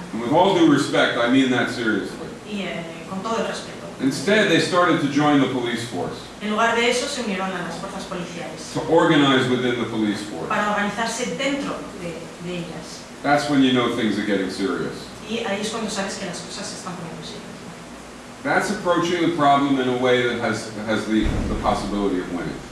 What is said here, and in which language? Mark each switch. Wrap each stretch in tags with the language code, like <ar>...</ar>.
<en>And with all due respect, I mean that seriously.</en> <es>con todo el respeto.</es> <en>Instead, they started to join the police force.</en> <es>En lugar de eso, se unieron a las fuerzas policiales.</es> <en>To organize within the police force.</en> <es>Para organizarse dentro de ellas.</es> <en>That's when you know things are getting serious.</en> <es>Y ahí es cuando sabes que las cosas se están poniendo serias.</es> <en>That's approaching the problem in a way that has the possibility of winning.</en>